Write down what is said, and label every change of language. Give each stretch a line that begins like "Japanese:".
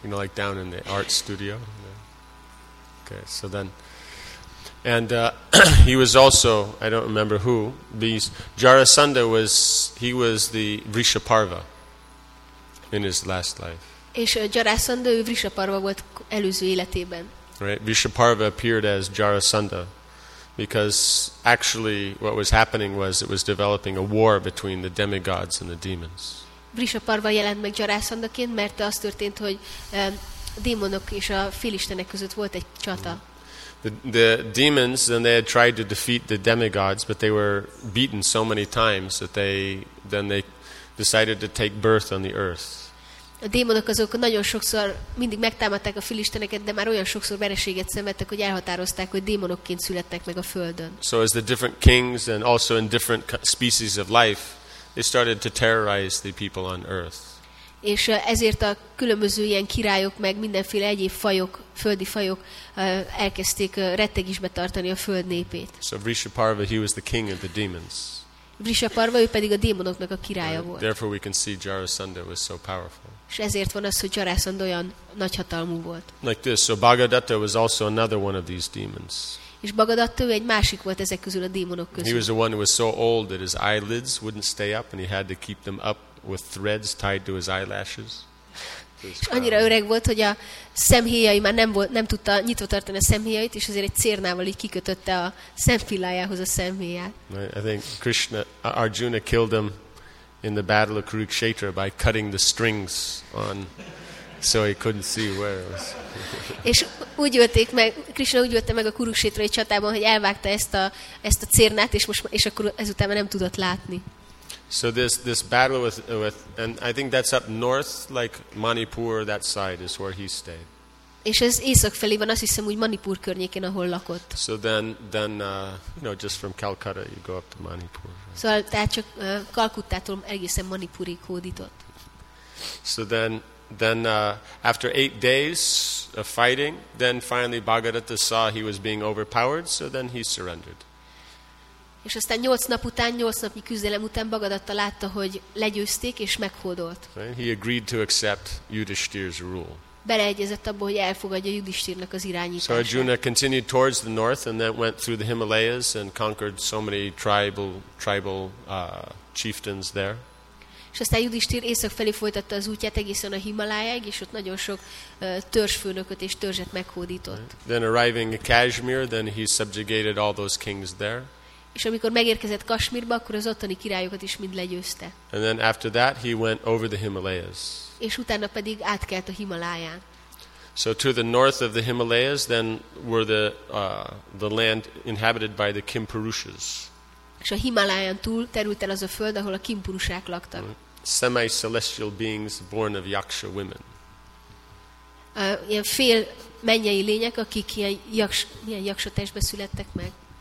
English: You know, like down in the art studio. Yeah. Okay, so then and he was also, I don't remember who, Jarasandha was, he was the Vrishaparva in his last life.
Hungarian: És Jarasandha, ő Vrishaparva volt előző életében.
English: Right, Vrishaparva appeared as Jarasandha because actually what was happening was it was developing a war between the demigods and the demons.
Hungarian: Vrishaparva jelent meg Jarasandhaként, mert az történt, hogy démonok és a félistenek között volt egy csata.
English: The demons, then they had tried to defeat the demigods, but they were beaten so many times that they decided to take birth on the earth.
Hungarian: A démonok azok nagyon sokszor mindig megtámadták a filisteneket, de már olyan sokszor vereséget szenvedtek, hogy elhatározták, hogy démonokként születtek meg a földön.
English: So as the different kings and also in different species of life, they started to terrorize the people on earth.
Hungarian: És ezért a különböző ilyen királyok meg mindenféle egyéb fajok, földi fajok elkezdték rettegésbe tartani a föld népét.
English: So Vrishaparva, he was the king of the demons.
Hungarian: Vrishaparva, ő pedig a démonoknak a királya volt.
English: Therefore we can see Jarasandha was so powerful.
Hungarian: És ezért van az, hogy Jarasandha olyan nagyhatalmú volt.
English: Like this, so Bhagadatta was also another one of these demons.
Hungarian: És Bhagadatta egy másik volt ezek közül a démonok közül.
English: He was the one who was so old that his eyelids wouldn't stay up and he had to keep them up with threads tied to his eyelashes.
Hungarian: És annyira öreg volt, hogy a szemhéjai már nem tudta nyitva tartani a szemhéjait, és azért egy cérnával így kikötötte a szemfillájához a szemhéját.
English: I think Krishna, Arjuna killed him in the battle of Kurukshetra by cutting the strings on, so he couldn't see where it was.
Hungarian: És úgy ölték meg, Krishna úgy ölte meg a Kurukshetrai csatában, hogy elvágta ezt a cérnát, és akkor ezután már nem tudott látni.
English: So this battle with and I think that's up north, like Manipur, that side is where he stayed.
Hungarian: És ez észak felé van, azt hiszem, úgy Manipur környékén, ahol lakott.
English: So then just from Calcutta you go up to Manipur.
Hungarian: Szóval tehát csak Kalkuttától egészen Manipurig hódított.
English: So then after 8 days of fighting, then finally Bhagadatta saw he was being overpowered, so then he surrendered.
Hungarian: És aztán 8 napnyi küzdelem után Bhagadatta látta, hogy legyőzték és meghódolt.
English: He agreed to accept Yudhishthir's rule.
Hungarian: Beleegyezett abba, hogy elfogadja Yudhishthirnek az irányítását.
English: So Arjuna continued towards the north and then went through the Himalayas and conquered so many tribal chieftains there.
Hungarian: És aztán Yudhishthir észak felé folytatta az útját egészen a Himalájáig, és ott nagyon sok törzsfőnököt és törzset meghódított.
English: Then arriving in Kashmir, then he subjugated all those kings there.
Hungarian: És amikor megérkezett Kashmirba, akkor az ottani királyokat is mind legyőzte.
English: And then after that he went over the Himalayas.
Hungarian: És utána pedig átkelt a Himaláján.
English: So to the north of the Himalayas then were the land inhabited by the Kimpurushas.
Hungarian: És a Himaláján túl terült el az a föld, ahol a Kimpurusák laktak.
English: Semi-celestial beings born of Yaksha women.
Hungarian: Ilyen fél mennyei lények, akik ilyen Yaksha testbe születtek meg.